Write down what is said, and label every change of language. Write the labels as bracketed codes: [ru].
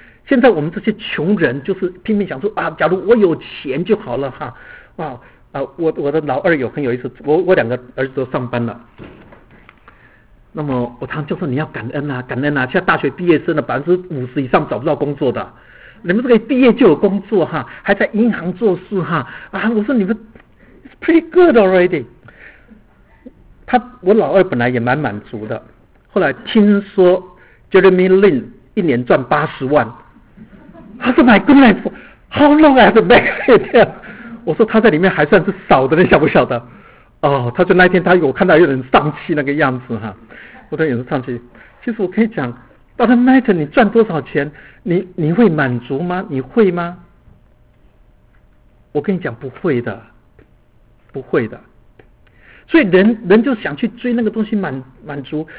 [zh] 现在我们这些穷人就是拼命想说啊，假如我有钱就好了哈，哇啊，我的老二有很有意思，我两个儿子都上班了。那么我常就说你要感恩啊，感恩啊！现在大学毕业生的50%以上找不到工作的，你们这个一毕业就有工作哈，还在银行做事哈啊！我说你们 [en] it's pretty good already。 [zh] 我老二本来也蛮满足的，后来听说 Jeremy Lin 一年赚80万。 [en] 他说 My goodness, how long I have to make it there? [zh] 我说他在里面还算是少的，你晓不晓得？哦，他说那天他有看到有人丧气那个样子哈，我都有人丧气。其实我可以讲 ， [en] doesn't matter [zh] 你赚多少钱，你会满足吗？你会吗？我跟你讲，不会的，不会的。所以人就想去追那个东西满足。